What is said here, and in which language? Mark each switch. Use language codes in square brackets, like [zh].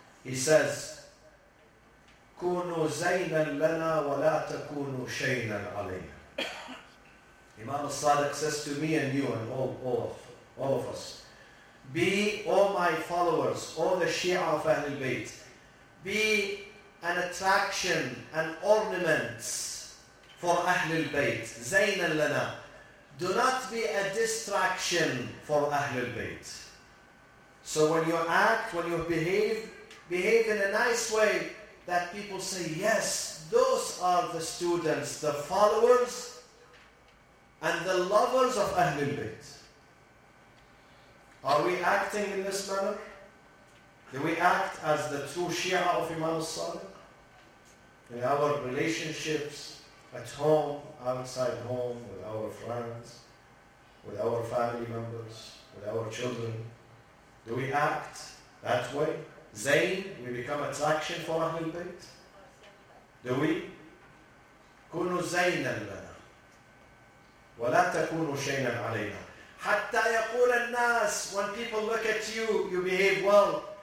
[en] He says, [ar] كُونُوا زَيْنًا لَنَا وَلَا تَكُونُوا شَيْنًا عَلَيْنَا. [en] Imam al-Sadiq says to me and you and all of us, be all my followers, all the Shia of Ahlul Bayt, be an attraction, an ornament for Ahlul Bayt. [ar] زَيْنًا لَنَا. [en] Do not be a distraction for Ahlul Bayt. So when you act, when you behave in a nice way that people say, yes, those are the students, the followers, and the lovers of Ahlul Bayt. Are we acting in this manner? Do we act as the true Shia of Imam al-Sadiq? In our relationships, at home, outside home, with our friends, with our family members, with our children. Do we act that way? Zayn, we become attraction for Ahlul Bayt? Do we? [ar] كُنُوا زَيْنًا لَنَا وَلَا تَكُونُوا شَيْنًا عَلَيْنَا حَتَّى يَقُولَ النَّاسِ. [en] When people look at you, you behave well.